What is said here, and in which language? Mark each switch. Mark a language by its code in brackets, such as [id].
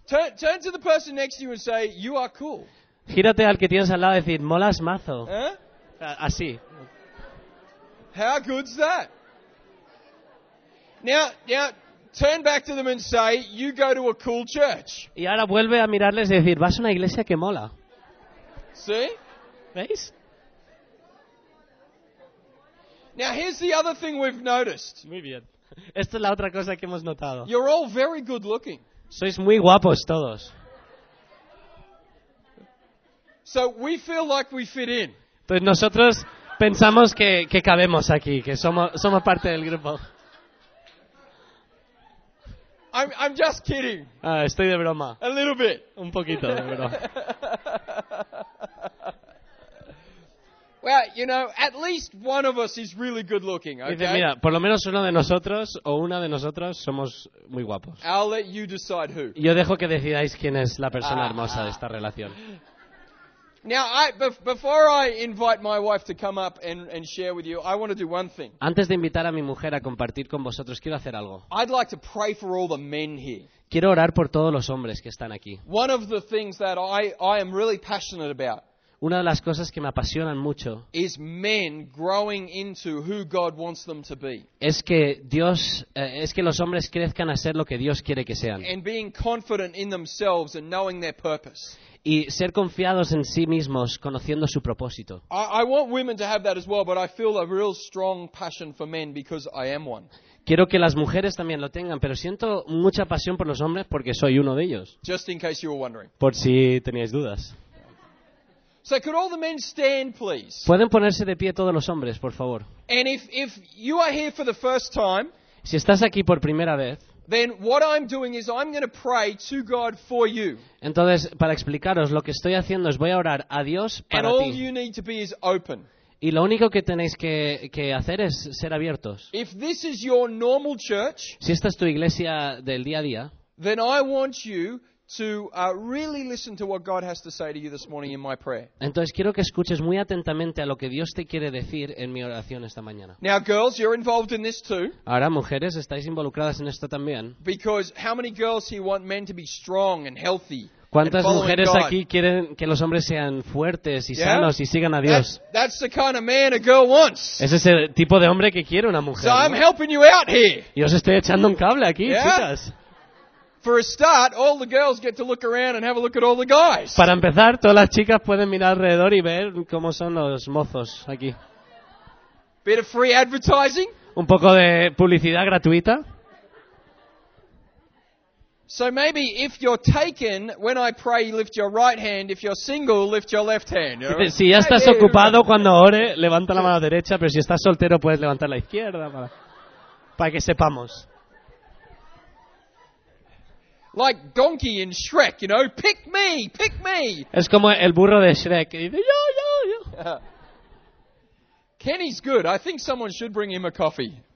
[en] Turn to the person next to you and say, "You are cool." [es] Gírate al que tienes al lado y decir, "Molas mazo." ¿Eh? Así. [en] How good's that? Now turn back to them and say, "You go to a cool church." [es] Y ahora vuelve a mirarles y decir, "Vas a una iglesia que mola." ¿Sí? ¿Veis? [en] Now here's the other thing we've noticed. [es] Muy bien. Esta es la otra cosa que hemos notado. [en] You're all very good looking. [es] Sois muy guapos todos. [en] So we feel like we fit in. [es] Pues nosotros pensamos que cabemos aquí, que somos parte del grupo. [en] I'm just kidding. [es] Estoy de broma. [en] A little bit. [es] Un poquito de broma. [en] Well, you know, at least one of us is really good looking, okay? [es] Dice, mira, por lo menos uno de nosotros o una de nosotras somos muy guapos. [en] I'll let you decide who. [es] Yo dejo que decidáis quién es la persona hermosa de esta relación. [en] Now, before I invite my wife to come up and share with you, I want to do one thing. [es] Antes de invitar a mi mujer a compartir con vosotros, quiero hacer algo. [en] I'd like to pray for all the men here. [es] Quiero orar por todos los hombres que están aquí. [en] One of the things that I am really passionate about. [es] Una de las cosas que me apasionan mucho [en] is men growing into who God wants them to be. [es] Es que Dios, es que los hombres crezcan a ser lo que Dios quiere que sean. [en] And being confident in themselves and knowing their purpose. [es] Y ser confiados en sí mismos, conociendo su propósito. [en] I want women to have that as well, but I feel a real strong passion for men because I am one. [es] Quiero que las mujeres también lo tengan, pero siento mucha pasión por los hombres porque soy uno de ellos. [en] Just in case you were wondering. [es] Por si teníais dudas. [en] So could all the men stand, please? [es] Pueden ponerse de pie todos los hombres, por favor. [en] And if you are here for the first time, [es] si estás aquí por primera vez, [en] then what I'm doing is I'm going to pray to God for you. [es] Entonces, para explicaros lo que estoy haciendo es voy a orar a Dios para [en] and [es] ti. [en] All you need to be is open. [es] Y lo único que tenéis que hacer es ser abiertos. [en] If this is your normal church, [es] si esta es tu iglesia del día a día, [en] then I want you to really listen to what God has to say to you this morning in my prayer. [es] Entonces quiero que escuches muy atentamente a lo que Dios te quiere decir en mi oración esta mañana. [en] Now girls, you're involved in this too. [es] Ahora mujeres, estáis involucradas en esto también. [en] Because how many girls here want men to be strong and healthy? [es] ¿Cuántas mujeres aquí quieren que los hombres sean fuertes y sanos y sigan a Dios? [en] That's the kind of man a girl wants. [es] Ese es el tipo de hombre que quiere una mujer. [en] So I'm helping you out here. [es] Y os estoy echando un cable aquí, chicas. [en] For a start, all the girls get to look around and have a look at all the guys. [es] Para empezar, todas las chicas pueden mirar alrededor y ver cómo son los mozos aquí. [en] Bit of free advertising. [es] Un poco de publicidad gratuita. [en] So maybe if you're taken when I pray, lift your right hand. If you're single, lift your left hand. [es] Dice, si ya estás ocupado cuando ore, levanta la mano derecha, pero si estás soltero puedes levantar la izquierda para que sepamos. [en] Like donkey in Shrek, you know, pick me, pick me. [es] Es como el burro de Shrek. Y dice, yo, yo, yo. [en] Kenny's good. I think someone should bring him a coffee.